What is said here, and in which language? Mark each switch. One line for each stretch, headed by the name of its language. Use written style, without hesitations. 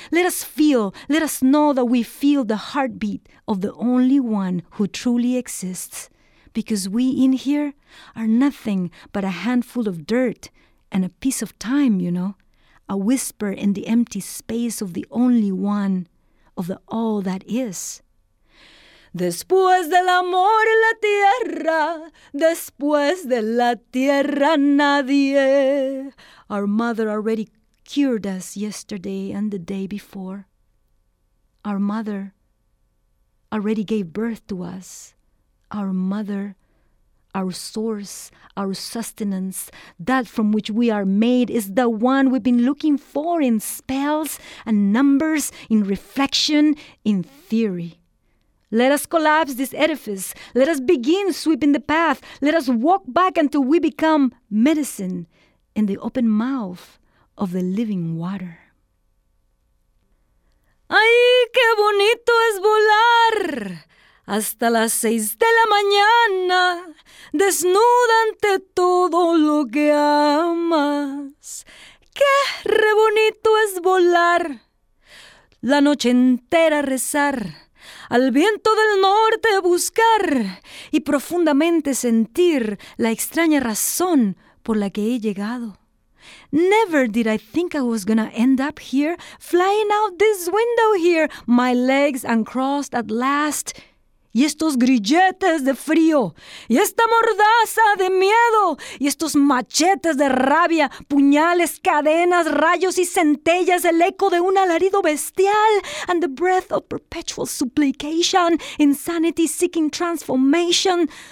English: Let us feel, let us know that we feel the heartbeat of the only one who truly exists. Because we in here are nothing but a handful of dirt and a piece of time, you know, a whisper in the empty space of the only one, of the all that is.
Spanish: Después del amor la tierra, después de la tierra nadie.
English: Our mother already cured us yesterday and the day before. Our mother already gave birth to us. Our mother, our source, our sustenance, that from which we are made is the one we've been looking for in spells and numbers, in reflection, in theory. Let us collapse this edifice. Let us begin sweeping the path. Let us walk back until we become medicine in the open mouth of the living water.
Spanish: ¡Ay, qué bonito es volar! Hasta las 6 de la mañana, desnuda ante todo lo que amas. ¡Qué re bonito es volar! La noche entera rezar, al viento del norte buscar y profundamente sentir la extraña razón por la que he llegado.
English: Never did I think I was gonna end up here, flying out this window here, my legs uncrossed at last.
Spanish: y estos grilletes de frío, y esta mordaza de miedo, y estos machetes de rabia, puñales, cadenas, rayos y centellas, el eco de un alarido bestial,
English: and the breath of perpetual supplication, insanity seeking transformation,